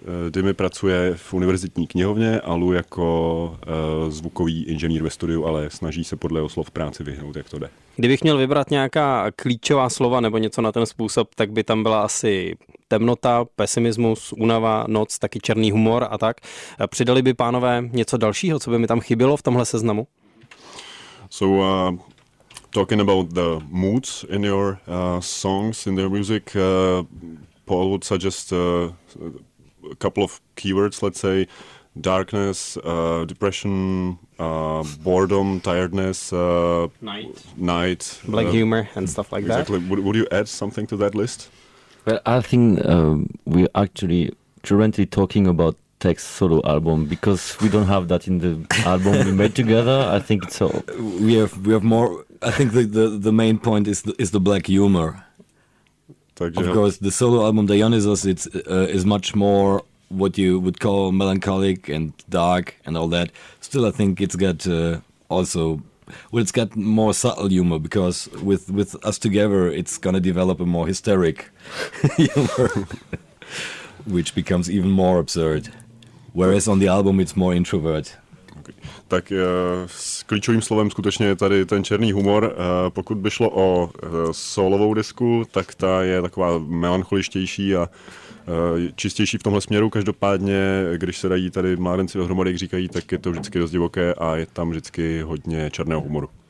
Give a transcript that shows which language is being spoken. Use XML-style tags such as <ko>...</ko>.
<cs>Dimmy pracuje v univerzitní knihovně a Lou jako zvukový inženýr ve studiu, ale snaží se podle jeho slov práci vyhnout, jak to jde. Kdybych měl vybrat nějaká klíčová slova nebo něco na ten způsob, tak by tam byla asi temnota, pesimismus, únava, noc, taky černý humor a tak. Přidali by pánové něco dalšího, co by mi tam chybělo v tomhle seznamu?</cs> <en>So, talking about the moods in your songs, in your music, Paul would suggest a couple of keywords, let's say darkness, depression, boredom, tiredness, night, black humor and stuff like exactly. That. Exactly. Would you add something to that list? Well, I think we're actually currently talking about Tex solo album because we don't have that in the album we made together. I think it's all we have more. I think the main point is the black humor.</en> <cs>Takže</cs> <en>of course, the solo album Dionysus is much more what you would call melancholic and dark and all that. Still, I think it's got it's got more subtle humor because with us together, it's gonna develop a more hysteric humor, which becomes even more absurd. Whereas on the album, it's more introvert.</en> <cs>Tak s klíčovým slovem skutečně je tady ten černý humor. Pokud by šlo o solovou desku, tak ta je taková melancholičtější a čistější v tomhle směru. Každopádně, když se dají tady mládenci dohromady, jak říkají, tak je to vždycky dost divoké a je tam vždycky hodně černého humoru.</cs>